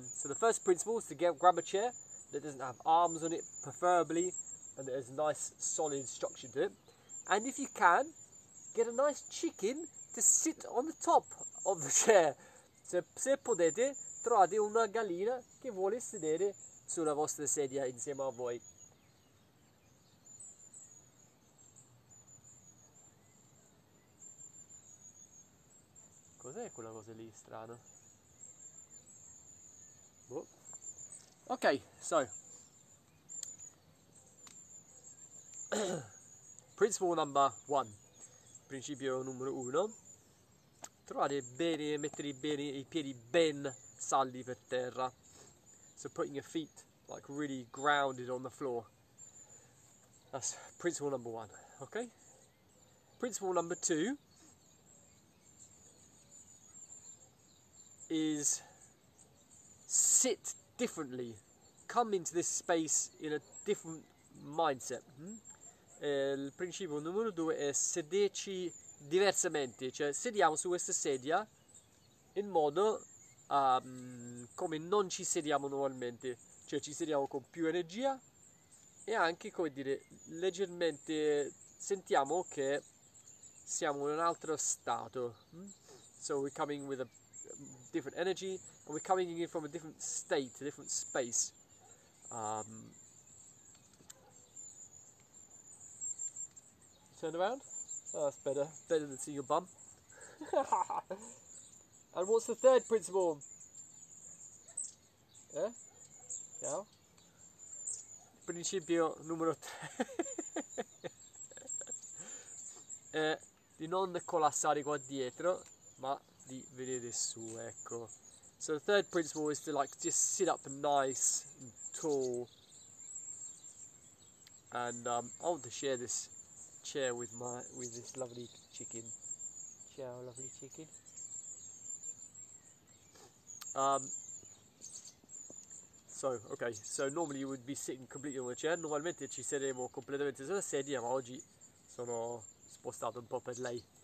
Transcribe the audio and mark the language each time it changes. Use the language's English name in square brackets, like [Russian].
[English] So the first principle is to grab a chair that doesn't have arms on it, preferably, and that has a nice solid structure to it. And if you can, get a nice chicken to sit on the top of the chair. [Italian] So, se potete, trovate una gallina che vuole sedere sulla vostra sedia insieme a voi. Cos'è quella cosa lì strana? [English] Boh. Ok, so principle number one. [Italian] Principio numero uno. Trovate bene, mettere bene I piedi ben saldi per terra. [English] So putting your feet like really grounded on the floor. That's principle number one, okay? Principle number two is sit differently. Come into this space in a different mindset. [Italian] Il principio numero due è sederci diversamente, cioè sediamo su questa sedia in modo come non ci sediamo normalmente, cioè ci sediamo con più energia e anche, come dire, leggermente sentiamo che siamo in un altro stato. [English] So we're coming with a different energy and we're coming in from a different state, a different space. Turn around. Oh, that's better. Better than seeing your bum. And what's the third principle? [Italian] Eh? Ciao? Principio numero tre. È di non collassare qua dietro, ma di vedere su, ecco. [English] So the third principle is to like just sit up nice and tall. And I want to share this chair with this lovely chicken. Ciao, lovely chicken. So normally you would be sitting completely on the chair. [Italian] Normalmente ci saremo completamente sulla sedia, ma oggi sono spostato un po' per lei.